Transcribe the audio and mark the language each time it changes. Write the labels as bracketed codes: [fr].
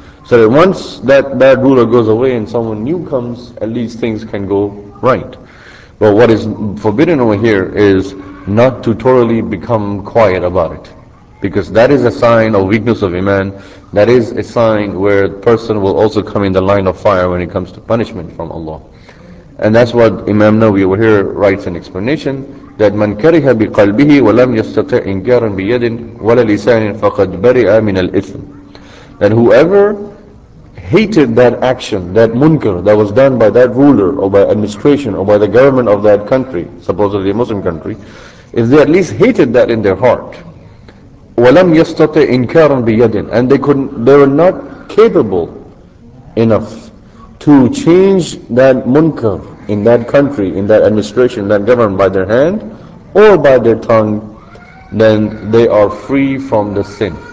[en] So that once that bad ruler goes away and someone new comes, at least things can go right. But what is forbidden over here is not to totally become quiet about it. Because that is a sign of weakness of iman. That is a sign where the person will also come in the line of fire when it comes to punishment from Allah. And that's what Imam Nawawi over here writes in explanation, that [ar] مَنْ كَرِهَ بِقَلْبِهِ وَلَمْ يَسْتَطِعْ إِنْكَارًا بِيَدٍ وَلَا لِسَانٍ فَقَدْ بَرِئَ مِنَ الْإِثْمِ. [en] That whoever hated that action, that munkar that was done by that ruler or by administration or by the government of that country, supposedly a Muslim country, if they at least hated that in their heart, [ar] وَلَمْ يَسْتَطِعْ إِنْكَارًا بِيَدٍ, [en] and they were not capable enough to change that munkar in that country, in that administration, that governed by their hand or by their tongue, then they are free from the sin.